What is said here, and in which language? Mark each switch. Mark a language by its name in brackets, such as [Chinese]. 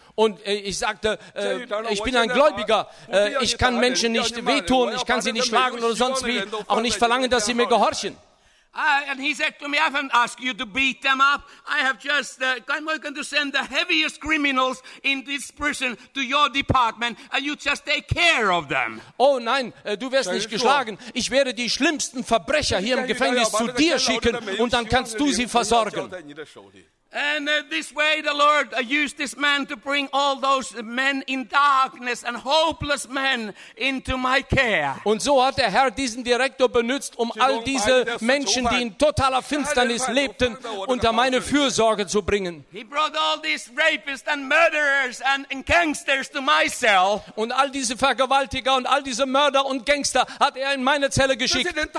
[German] Und ich sagte, ich bin ein Gläubiger, ich kann Menschen nicht wehtun, ich kann sie nicht schlagen oder sonst wie, auch nicht verlangen, dass sie mir gehorchen. [English] And he said to me, I haven't asked you to beat them up. I have just, I'm going to send the heaviest criminals in this prison to your department and you just take care of them. [German] Oh nein, du wirst nicht geschlagen. Ich werde die schlimmsten Verbrecher hier im Gefängnis zu dir schicken und dann kannst du sie versorgen. [English] And this way the Lord used this man to bring all those men in darkness and hopeless men into my care. [German] Und so hat der Herr diesen Direktor benutzt, um all diese Menschen, die in totaler Finsternis lebten, unter meine Fürsorge zu bringen. [English] He brought all these rapists and murderers and gangsters to my cell. [German] Und all diese Vergewaltiger und all diese Mörder und Gangster hat er in meine Zelle geschickt.